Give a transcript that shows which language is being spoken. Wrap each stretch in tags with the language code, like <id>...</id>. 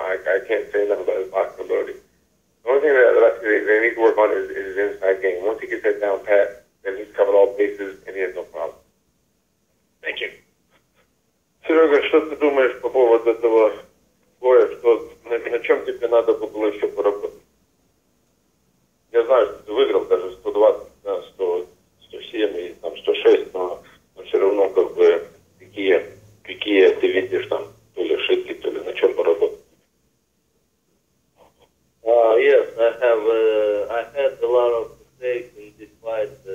<en>I can't say enough about his boxing ability. The only thing that I think they need to work on is his inside game. Once he gets that down pat, then he's covered all bases and he has no problem. Thank you.</en> <ru>Серега, что ты думаешь по поводу этого боя? Что, на чем тебе надо было еще поработать? Я знаю, что ты выиграл даже 120, да, 107 и там 106, но все равно как бы какие ты видишь там то ли ошибки, то ли на чем поработать.</ru> <en>Yes, I had a lot of mistakes in this fight.</en>